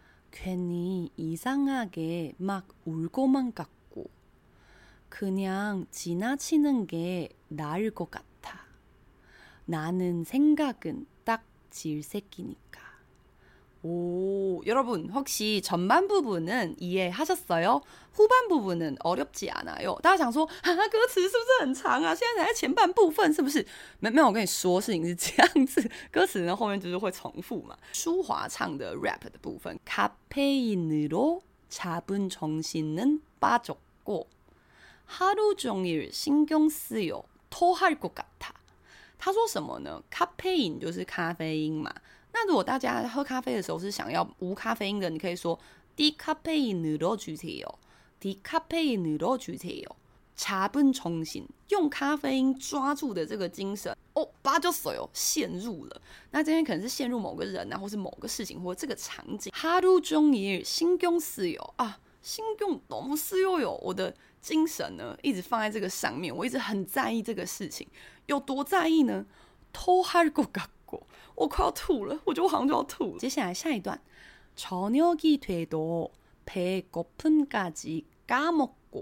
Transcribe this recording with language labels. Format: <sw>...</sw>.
<ko>괜히 이상하게 막 울고만 갔고 그냥 지나치는 게 나을 것 같아. 나는 생각은 딱 질색이니까. 오, 여러분 혹시 전반 부분은 이해하셨어요? 후반 부분은 어렵지 않아요.</ko> <zh>다장소 歌词是不是很长啊？现在前半部分是不是？没有，我跟你说，是因为这样子，歌词呢后面就是会重复嘛。舒华唱的 rap 的部分，</zh> <ko>카페인으로 잡은 정신은 빠졌고 하루 종일 신경 쓰여 토할 것 같아.</ko> <zh>他说什么呢？카페인就是咖啡因嘛。那如果大家喝咖啡的时候是想要无咖啡因的，你可以说</zh> <ko>디카페인으로 주세요. 디카페인으로 주세요. 잡은 정신,</ko> <zh>用咖啡因抓住的这个精神. 哦,</zh> <ko>빠졌어요,</ko> <zh>陷入了。那这边可能是陷入某个人啊，或是某个事情，或者这个场景.</zh> <ko>하루 종일 신경 쓰여. 아, 신경 너무 쓰여요.</ko> <zh>我的精神呢，一直放在这个上面，我一直很在意这个事情，有多在意呢？</zh> <ko>토할 것 같고.</ko> <zh>我快要吐了，我觉得我好像就要吐了。接下来下一段，</zh> <ko>저녁이 돼도 배고픔까지 까먹고.</ko>